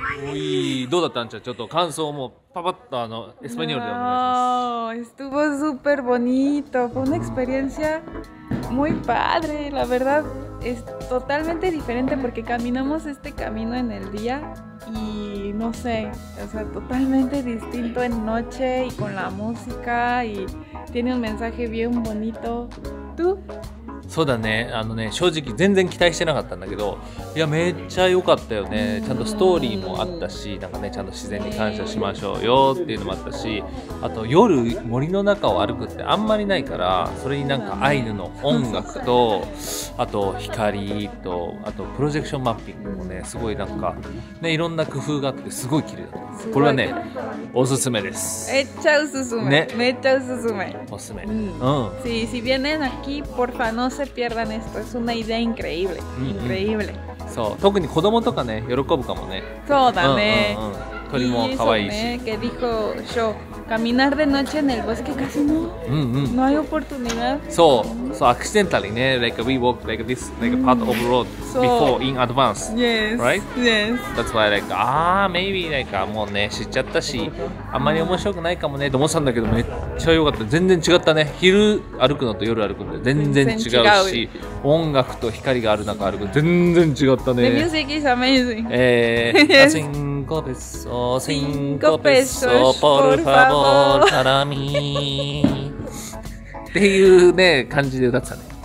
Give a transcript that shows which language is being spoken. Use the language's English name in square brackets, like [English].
[Japanese] Uy, どうだったんちゃう? ちょっと感想も papato no español. [Spanish] Wow, estuvo súper bonito, fue una experiencia muy padre, la verdad es totalmente diferente porque caminamos este camino en el día y no sé, o sea, totalmente distinto en noche y con la música y tiene un mensaje bien bonito. ¿Tú? [Japanese] そうだね、あのね、正直全然期待してなかったんだけど、いやめっちゃ良かったよね。ちゃんとストーリーもあったし、なんかね、ちゃんと自然に感謝しましょうよっていうのもあったし、あと夜森の中を歩くってあんまりないから、それになんかアイヌの音楽とあと光とあとプロジェクションマッピングもね、すごいなんかね、いろんな工夫があってすごい綺麗だった。これはねおすすめです。めっちゃおすすめ、ね、めっちゃおすすめ、おすすめ、 [Spanish] うん、sí, si vienen aquí, por favor, no se pierdan esto, es una idea increíble, increíble. [Japanese] そう、特に子供とかね喜ぶかもね。そうだね、うんうんうん、鳥も可愛いし、 [Spanish] que dijo yo, caminar de noche en el bosque casi no, no hay oportunidad. [Japanese] そう、そう、 [English] accidentally ね、like we walk like this, like part of road before in advance, yes, right? Yes. That's why like, maybe like, [Japanese] もうね知っちゃったし、あんまり面白くないかもねと思ったんだけど、めっちゃ良かった。全然違ったね。昼歩くのと夜歩くので全然違うし、音楽と光がある中歩く全然違う。 [English] The music is amazing. [Spanish] Cinco pesos, cinco pesos, por favor, para mí. [Japanese] っていうね感じで歌ってたね。